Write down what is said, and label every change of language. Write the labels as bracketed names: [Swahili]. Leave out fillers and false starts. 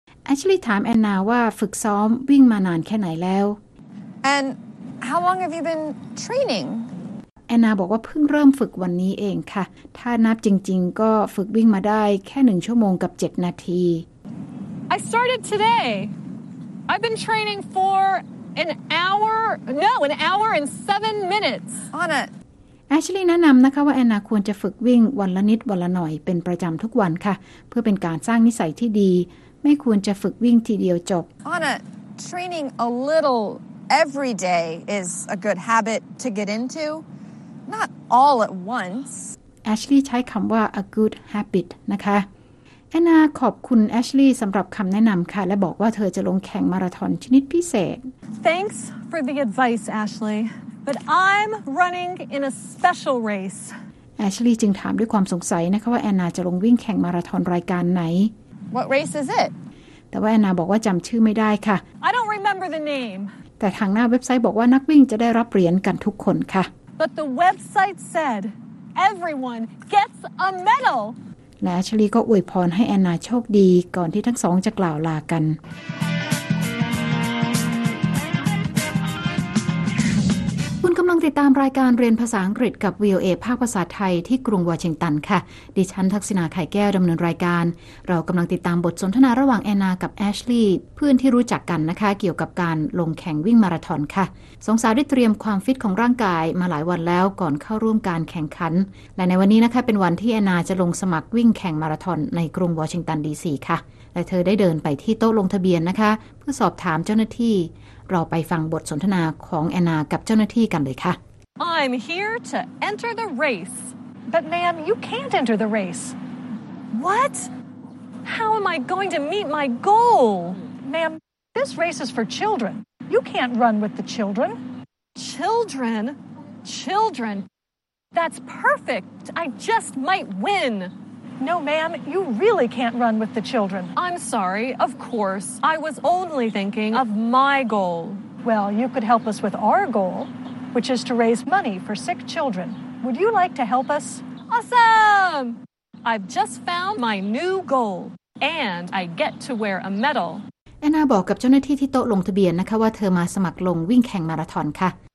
[English] Actually, [Thai] ถามแอนนาว่าฝึกซ้อมวิ่งมานานแค่ไหนแล้ว [English] And how long have you been training? [Thai] แอนนาบอกว่าเพิ่งเริ่มฝึกวันนี้เองค่ะถ้านับจริงๆก็ฝึกวิ่งมาได้แค่1ชั่วโมงกับ7นาที [English] I started today. I've been training for an hour and seven minutes. Anna. [Thai] Ashley แนะนำนะคะว่าแอนนาควรจะฝึกวิ่งวันละนิดวันละหน่อยเป็นประจำทุกวันค่ะเพื่อเป็นการสร้างนิสัยที่ดีไม่ควรจะฝึกวิ่งทีเดียวจบ [English] Anna, training a little every day is a good habit to get into. Not all at once. [Thai] Ashley ใช้คำว่า [English] a good habit [Thai] นะคะแอนนาขอบคุณแอชลีย์สำหรับคำแนะนำค่ะและบอกว่าเธอจะลงแข่งมาราธอนชนิดพิเศษ [English] Thanks for the advice, Ashley. But I'm running in a special race. [Thai] แอชลีย์จึงถามด้วยความสงสัยนะคะว่าแอนนาจะลงวิ่งแข่งมาราธอนรายการไหน [English] What race is it? [Thai] แต่ว่าแอนนาบอกว่าจำชื่อไม่ได้ค่ะ [English] I don't remember the name. [Thai] แต่ทางหน้าเว็บไซต์บอกว่านักวิ่งจะได้รับเหรียญกันทุกคนค่ะ [English] But the website said everyone gets a medal. [Thai] และแอชลีย์ก็อวยพรให้แอนนาโชคดีก่อนที่ทั้งสองจะกล่าวลากันคุณกำลังติดตามรายการเรียนภาษาอังกฤษกับ VOA ภาคภาษาไทยที่กรุงวอชิงตันค่ะดิฉันทักษิณาไข่แก้วดำเนินรายการ เรากำลังติดตามบทสนทนาระหว่างแอนนากับแอชลีย์เพื่อนที่รู้จักกันนะคะเกี่ยวกับการลงแข่งวิ่งมาราธอนค่ะสองสาวได้เตรียมความฟิตของร่างกายมาหลายวันแล้วก่อนเข้าร่วมการแข่งขันและในวันนี้นะคะเป็นวันที่แอนนาจะลงสมัครวิ่งแข่งมาราธอนในกรุงวอชิงตันดีซีค่ะและเธอได้เดินไปที่โต๊ะลงทะเบียนนะคะเพื่อสอบถามเจ้าหน้าที่เราไปฟังบทสนทนาของแอนนากับเจ้าหน้าที่กันเลยค่ะ [English] I'm here to enter the race. But ma'am, you can't enter the race. What? How am I going to meet my goal? Ma'am, this race is for children. You can't run with the children. Children? Children? That's perfect. I just might win. No, ma'am, you really can't run with the children. I'm sorry, of course. I was only thinking of my goal. Well, you could help us with our goal, which is to raise money for sick children. Would you like to help us? Awesome! I've just found my new goal, and I get to wear a medal. [Thai] Anna บอกกับเจ้าหน้าที่ที่โต๊ะลงทะเบียนนะคะว่าเธอมาสมัครลงวิ่งแข่งมาราธอนค่ะ